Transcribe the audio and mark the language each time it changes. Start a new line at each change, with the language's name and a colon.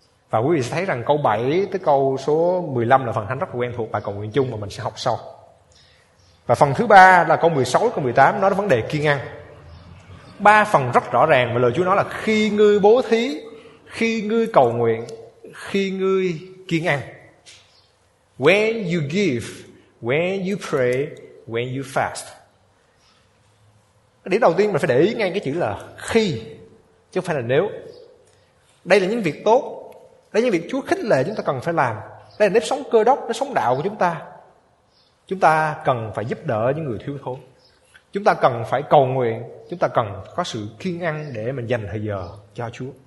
Vietnamese: Và quý vị sẽ thấy rằng câu 7 tới câu số 15 là phần thánh rất là quen thuộc, bài cầu nguyện chung mà mình sẽ học sau. Và phần thứ 3 là câu 16 đến câu 18, nói đến vấn đề kiêng ăn. 3 phần rất rõ ràng mà lời Chúa nói là khi ngươi bố thí, khi ngươi cầu nguyện, khi ngươi kiêng ăn.
English: When you give, when you pray, when you fast.
Vietnamese: Điểm đầu tiên mình phải để ý ngay cái chữ là khi, chứ không phải là nếu. Đây là những việc tốt, đây là những việc Chúa khích lệ chúng ta cần phải làm. Đây là nếp sống cơ đốc, nếp sống đạo của chúng ta. Chúng ta cần phải giúp đỡ những người thiếu thốn. Chúng ta cần phải cầu nguyện. Chúng ta cần có sự kiêng ăn để mình dành thời giờ cho Chúa.